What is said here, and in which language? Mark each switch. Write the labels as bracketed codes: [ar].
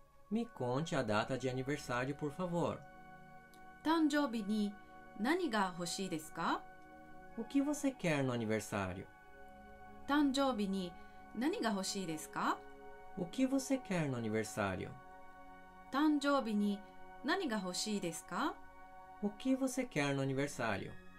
[pt] Me conte a data de aniversário, por favor. [ja] 誕生日に何が欲しいですか? [pt] O que você quer no aniversário? [ja] 誕生日に何が欲しいですか? [pt] O que você quer no aniversário? [ja] 誕生日に何が欲しいですか? [pt] O que você quer no aniversário?